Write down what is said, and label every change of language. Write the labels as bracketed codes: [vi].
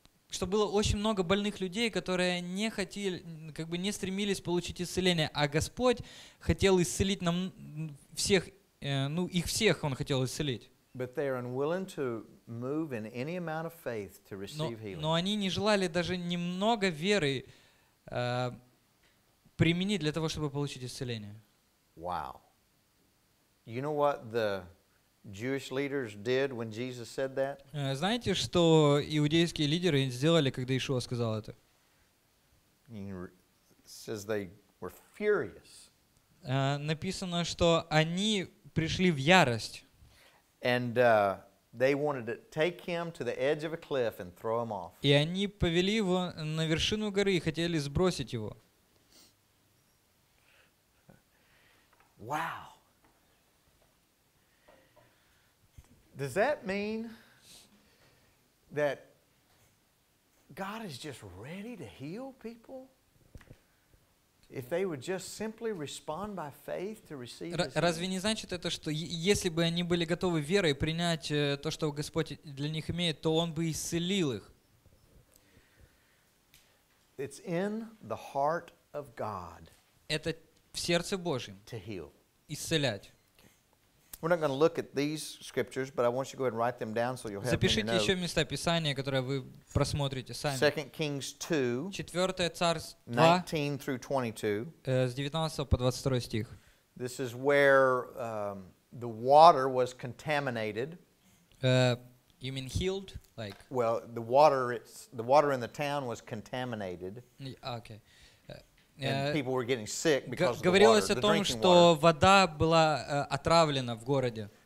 [ru] Что было очень много больных людей, которые не хотели, как бы не стремились получить исцеление, а Господь хотел исцелить нам всех, ну их всех Он хотел исцелить. Но они не желали даже немного веры применить для того, чтобы получить исцеление. [en] Wow. You know what the Jewish leaders did when Jesus said that. [ru] Знаете, что иудейские лидеры сделали, когда Иешуа сказал это? [en] Says they were furious. [ru] Написано, что они пришли в ярость. [en] And they wanted to take him to the edge of a cliff and throw him off. [ru] И они повели его на вершину горы и хотели сбросить его. [en] Wow. Does that mean that God is just ready to heal people? If they would just simply respond by faith to receive this. [ru] Разве не значит это, что если бы они были готовы верой принять то, что Господь для них имеет, то Он бы исцелил их? [en] It's in the heart of God. [ru] Это в сердце Божьем. [en] To heal. [ru] Исцелять. [en] We're not going to look at these scriptures, but I want you to go ahead and write them down, so you'll have. [ru] Запишите еще места Писания, которые вы просмотрите сами. [en] 2 Kings 2. 19 through 22. [ru] С 19 по 22 стих. [en] This is where the water was contaminated. You mean healed? Like. Well, the water in the town was contaminated. Okay. And people were getting sick because of the water. [ru] Говорилось о том, что [en] water. [ru] Вода была отравлена в городе.